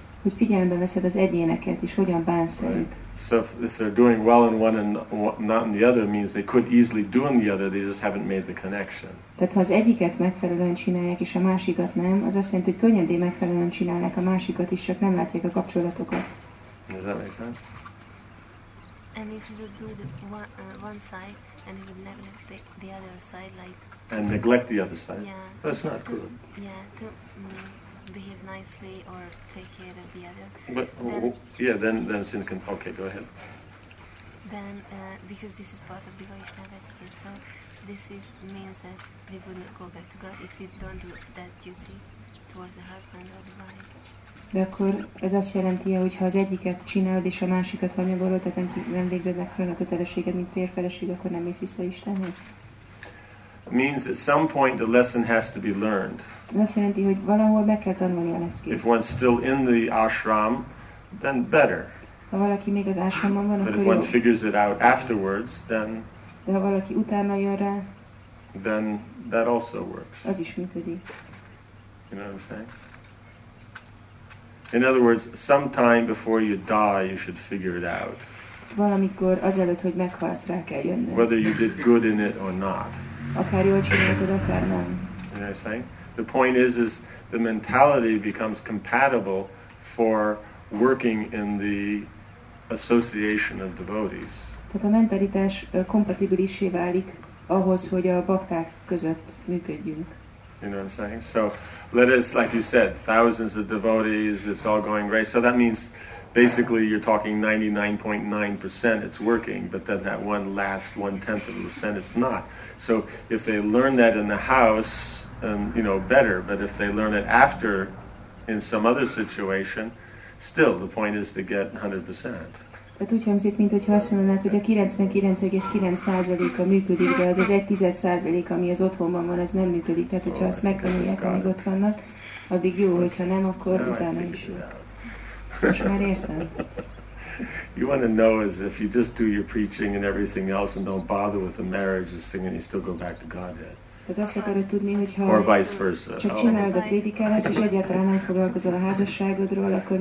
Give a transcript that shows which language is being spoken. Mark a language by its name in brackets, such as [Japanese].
[Hungarian] Hogy figyelembe veszed az egyéneket, és hogyan bánsz velük. [English] So if they're doing well in one and not in the other, means they could easily do in the other, they just haven't made the connection. [Hungarian] Tehát ha az egyiket megfelelően csinálják, és a másikat nem, az azt jelenti, hogy könnyedén megfelelően csinálják a másikat is, csak nem látják a kapcsolatokat. [English] Does that make sense? And if you would do the one side and you would neglect the other side, like... And neglect the other side? Yeah. That's not to, good. Yeah, to behave nicely or take care of the other. But, then it's in the... Okay, go ahead. Then, because this is part of the Vaishnava etiquette, so this is means that we wouldn't go back to God if we don't do that duty towards the husband or the wife. [Hungarian] De akkor ez azt jelenti, hogy ha az egyiket csinálod és a másikat hanyagolod, tehát nem végzed meg fel a kötelességed, mint térfeleség, akkor nem mész vissza Istenhez. [English] Means at some point the lesson has to be learned. [Hungarian] Azt jelenti, hogy valahol meg kell tanulni a leckét. [English] If one's still in the ashram, then better. [Hungarian] Ha valaki még az ashramon van, [English] but [Hungarian] akkor [English] if one figures it out afterwards, then. [Hungarian] De ha valaki utána jön rá, [English] then that also works. [Hungarian] Az is működik. [English] You know what I'm saying? In other words, sometime before you die, you should figure it out. [Hungarian] Valamikor azelőtt, hogy meghalsz, rá kell jönni. [English] Whether you did good in it or not. [Hungarian] Akár jól csináltad, akár nem. [English] You know what I'm saying? The point is the mentality becomes compatible for working in the association of devotees. [Hungarian] Tehát a mentalitás kompatibilissé válik ahhoz, hogy a bakták között működjünk. [English] You know what I'm saying? So, let us, like you said, thousands of devotees, it's all going great. So that means, basically, you're talking 99.9% it's working, but then that one last 0.1% it's not. So, if they learn that in the house, you know, better, but if they learn it after, in some other situation, still, the point is to get 100%. [Hungarian] Tehát úgy hangzik, mint hogyha azt mondanád, hogy a 99,9%-a működik, de az az 1%, ami az otthonban van, az nem működik. Tehát hogyha azt megtanulják, amíg ott vannak, addig jó, hogyha nem, akkor utána is jó. Most már értem. [English] You want to know is if you just do your preaching and everything else and don't bother with the marriage, this thing, and you still go back to Godhead. [Hungarian] Tehát azt akarod tudni, hogyha [English] or vice versa. [Hungarian] Csak csináld a prédikálást, és egyáltalán nem foglalkozol a házasságodról, akkor